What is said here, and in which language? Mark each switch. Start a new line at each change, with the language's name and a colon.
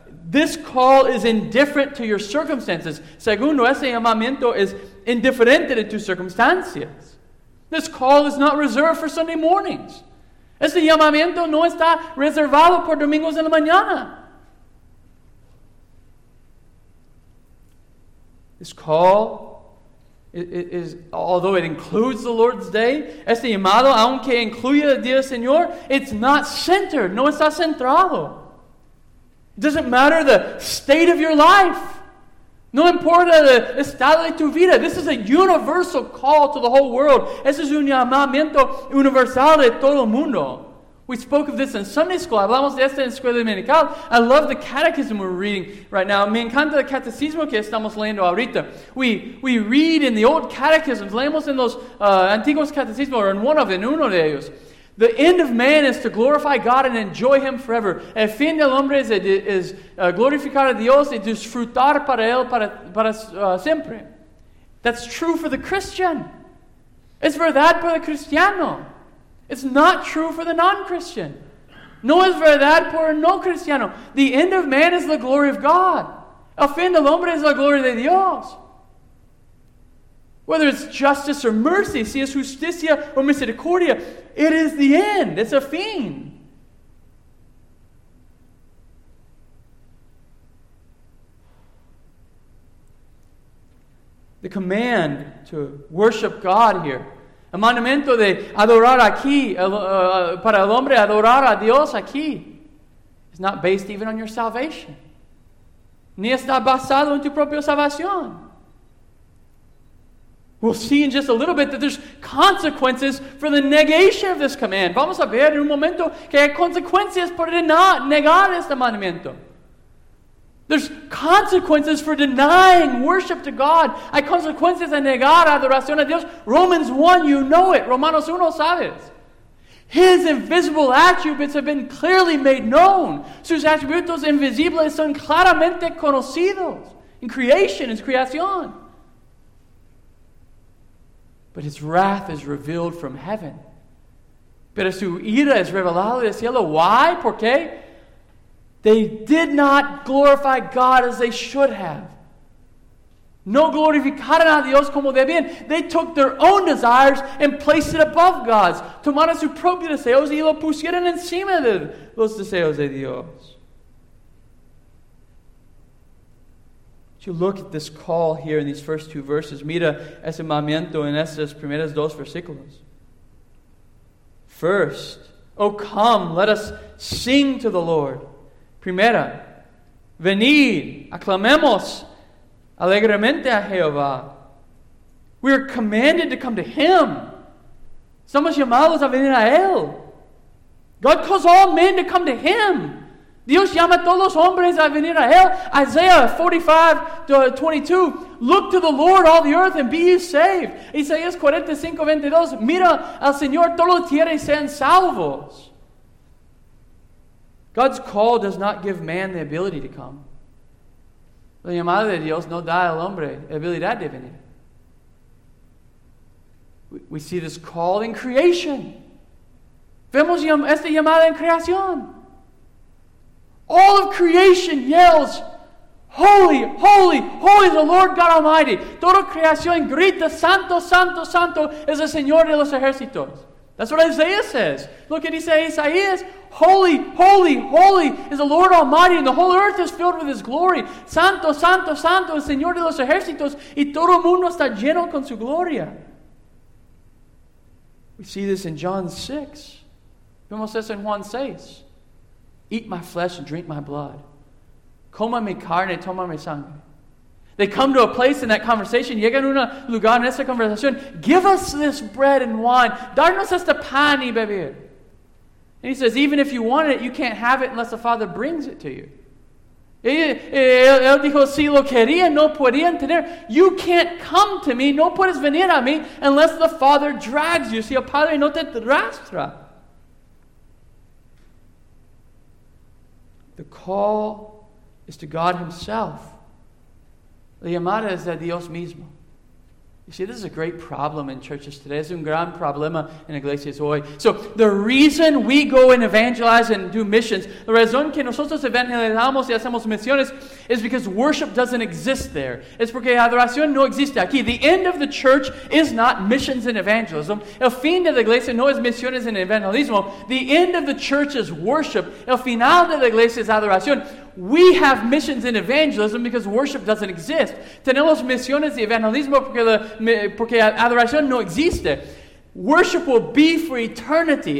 English: This call is indifferent to your circumstances.
Spanish: Segundo, ese llamamiento es indiferente de tus circunstancias.
English: This call is not reserved for Sunday mornings.
Spanish: Ese llamamiento no está reservado por domingos en la mañana.
English: This call is, although it includes the Lord's Day,
Spanish: este llamado, aunque incluya el Día Señor,
English: it's not centered,
Spanish: no está centrado.
English: It doesn't matter the state of your life.
Spanish: No importa el estado de tu vida.
English: This is a universal call to the whole world.
Spanish: Este es un llamamiento universal de todo el mundo.
English: We spoke of this in Sunday school.
Spanish: Hablamos de esto en Escuela Dominical.
English: I love the catechism we're reading right now.
Spanish: Me encanta el catecismo que estamos leyendo ahorita.
English: We read in the old catechisms.
Spanish: Leemos en los antiguos catecismos, or en uno de ellos.
English: The end of man is to glorify God and enjoy Him forever.
Spanish: El fin del hombre es glorificar a Dios y disfrutar para Él para siempre.
English: That's true for the Christian.
Spanish: Es verdad para el cristiano.
English: It's not true for the non-Christian.
Spanish: No es verdad por el no cristiano.
English: The end of man is the glory of God. El fin del hombre es la gloria de Dios. Whether it's justice or mercy,
Spanish: si es justicia o misericordia,
English: it is the end. It's a fin. The command to worship God here.
Spanish: El mandamiento de adorar aquí, para el hombre adorar a Dios aquí,
English: is not based even on your salvation.
Spanish: Ni está basado en tu propia salvación.
English: We'll see in just a little bit that there's consequences for the negation of this command.
Spanish: Vamos a ver en un momento que hay consecuencias por negar este mandamiento.
English: There's consequences for denying worship to God.
Spanish: Hay consecuencias de negar adoración a Dios.
English: Romans 1, you know it.
Spanish: Romanos 1, sabes.
English: His invisible attributes have been clearly made known.
Spanish: Sus atributos invisibles son claramente conocidos.
English: In creation, in creación. But His wrath is revealed from heaven.
Spanish: Pero su ira es revelada del cielo.
English: Why?
Spanish: ¿Por qué?
English: They did not glorify God as they should have.
Spanish: No glorificaron a Dios como debían.
English: They took their own desires and placed it above God's.
Spanish: Tomaron sus propios deseos y lo pusieron encima de los deseos de Dios.
English: If you look at this call here in these first two verses,
Spanish: mira ese mandamiento en estos primeros dos versículos.
English: First, oh come, let us sing to the Lord.
Spanish: Primera, venid, aclamemos alegremente a Jehová.
English: We are commanded to come to Him.
Spanish: Somos llamados a venir a Él.
English: God calls all men to come to Him.
Spanish: Dios llama a todos los hombres a venir a Él.
English: Isaiah 45:22, look to the Lord, all the earth, and be ye saved.
Spanish: Isaías 45:22, mira al Señor, todo la tierra y sean salvos.
English: God's call does not give man the ability to come.
Spanish: La llamada de Dios no da al hombre habilidad de venir.
English: We see this call in creation.
Spanish: Vemos esta llamada en creación.
English: All of creation yells, holy, holy, holy is the Lord God Almighty.
Spanish: Toda creación grita, santo, santo, santo es el Señor de los ejércitos.
English: That's what Isaiah says. Look at Isaiah. Holy, holy, holy is the Lord Almighty, and the whole earth is filled with His glory.
Spanish: Santo, santo, santo, el Señor de los ejércitos, y todo el mundo está lleno con su gloria.
English: We see this in John 6.
Spanish: Vemos esto en Juan 6.
English: Eat my flesh and drink my blood.
Spanish: Coma mi carne y toma mi sangre.
English: They come to a place in that conversation.
Spanish: Llegan a un lugar en esa conversación.
English: Give us this bread and wine.
Spanish: Darnos este pan y beber.
English: And He says, even if you want it, you can't have it unless the Father brings it to you.
Spanish: Él dijo, si lo querían, no podían tener.
English: You can't come to me,
Spanish: no puedes venir a mí,
English: unless the Father drags you.
Spanish: Si el Padre no te arrastra.
English: The call is to God Himself.
Spanish: La llamada es de Dios mismo.
English: You see, this is a great problem in churches today.
Spanish: Es un gran problema en iglesias hoy.
English: So, the reason we go and evangelize and do missions,
Spanish: la razón que nosotros evangelizamos y hacemos misiones
English: is because worship doesn't exist there.
Spanish: Es porque adoración no existe aquí.
English: The end of the church is not missions and evangelism.
Spanish: El fin de la iglesia no es misiones y evangelismo.
English: The end of the church is worship.
Spanish: El final de la iglesia es adoración.
English: We have missions in evangelism because worship doesn't exist.
Spanish: Tenemos misiones y evangelismo porque adoración no existe.
English: Worship will be for eternity.